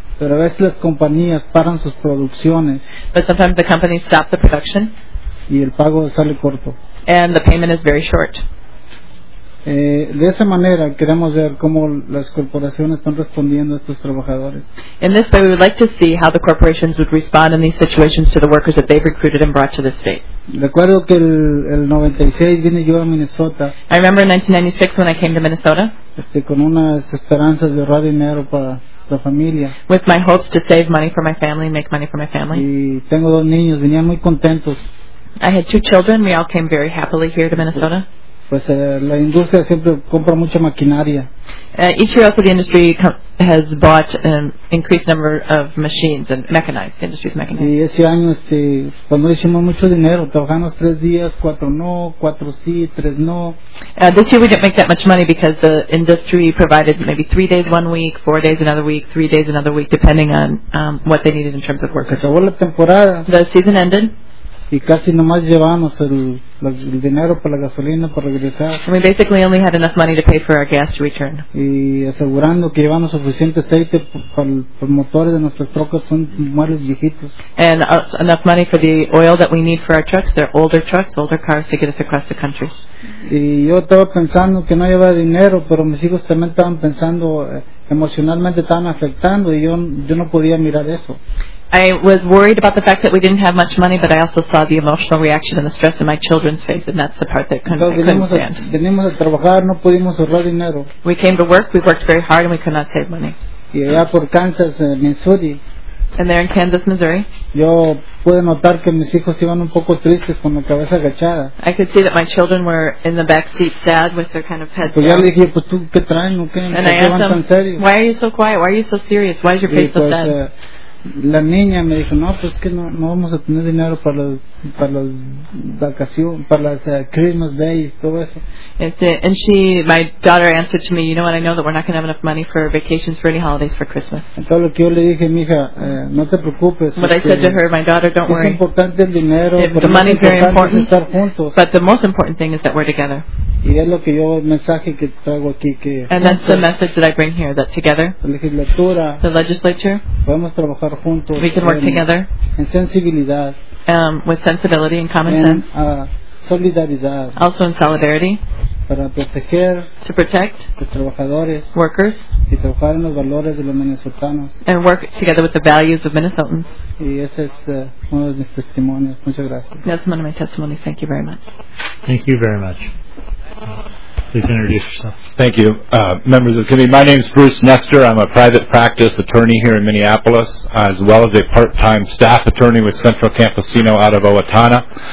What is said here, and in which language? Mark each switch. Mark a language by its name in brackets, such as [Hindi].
[Spanish] Pero a veces las compañías paran sus producciones. [English] But sometimes the companies stop the production. [Spanish] Y el pago sale corto. [English] And the payment is very short. [Spanish] De esa manera queremos ver cómo las corporaciones están respondiendo a estos trabajadores. [English] In this way, we would like to see how the corporations would respond in these situations to the workers that they've recruited and brought to the state. [Spanish] Recuerdo que el 96 vine yo a Minnesota. [English] I remember in 1996 when I came to Minnesota. [Spanish] Con unas esperanzas de ahorrar dinero para la familia. [English] With my hopes to save money for my family, make money for my family. [Spanish] Y tengo dos niños, venían muy contentos. [English] I had two children. We all came very happily here to Minnesota. [Spanish] Pues la industria siempre compra mucha maquinaria. [English] Each year also the industry has bought an increased number of machines and mechanized, the industry's mechanized. [Spanish] Y ese año cuando hicimos mucho dinero, trabajamos tres días, cuatro no, cuatro sí, tres no. [English] This year we didn't make that much money because the industry provided maybe 3 days one week, 4 days another week, 3 days another week, depending on what they needed in terms of workers. [Spanish] Se acabó la temporada. [English] The season ended. [Spanish] Y casi nomás llevamos el dinero para la gasolina para regresar. [English] We basically only had enough money to pay for our gas to return. [Spanish] Y asegurando que llevamos suficiente aceite para los motores de nuestras trocas, son muebles viejitos. [English] And enough money for the oil that we need for our trucks. They're older trucks, older cars to get us across the country. [Spanish] Y yo estaba pensando que no llevaba dinero, pero mis hijos también estaban pensando, emocionalmente estaban afectando y yo no podía mirar eso. [English] I was worried about the fact that we didn't have much money, but I also saw the emotional reaction and the stress in my children's face, and that's the part that couldn't stand. We came to work, we worked very hard, and we could not save money. [Spanish] Y allá por Kansas, Missouri, [English] and there in Kansas, Missouri, [Spanish] yo pude notar que mis hijos iban un poco tristes con la cabeza agachada. [English] I could see that my children were in the back seat sad with their kind of heads down. [Spanish] Yo le dije, pues, ¿tú qué traen? ¿Qué? [English] And [Spanish] ¿qué [English] I asked them, why are you so quiet? Why are you so serious? Why is your face so sad? [Spanish] La niña me dijo, no, pues que no vamos a tener dinero para las vacaciones, para las [English] Christmas days, [Spanish] todo eso. [English] And she, my daughter answered to me, you know what, I know that we're not going to have enough money for vacations, for any holidays, for Christmas. [Spanish] Entonces lo que yo le dije, mija, no te preocupes. [English] But I said to her, my daughter, don't worry. [Spanish] Es importante el dinero, [English] the money is very important, [Spanish] estar juntos. [English] But the most important thing is that we're together. [Spanish] Y es lo que yo, el mensaje que traigo aquí, que [English] and juntos, that's the message that I bring here, that together, the legislature, [Spanish] podemos trabajar. [English] We can work together [Spanish] en sensibilidad, [English] with sensibility and common sense, [Spanish] solidaridad, [English] also in solidarity, [Spanish] para proteger [English] to protect [Spanish] los trabajadores, [English] workers, [Spanish] y trabajar en los valores de los minnesotanos, [English] and work together with the values of Minnesotans. [Spanish] Y ese es uno de mis testimonios. Muchas gracias. [English] That's one of my testimonies. Thank you very much. Thank you very much. Please introduce yourself. Thank you. Members of the committee, my name is Bruce Nestor. I'm a private practice attorney here in Minneapolis, as well as a part-time staff attorney with Central Campesino out of Owatonna.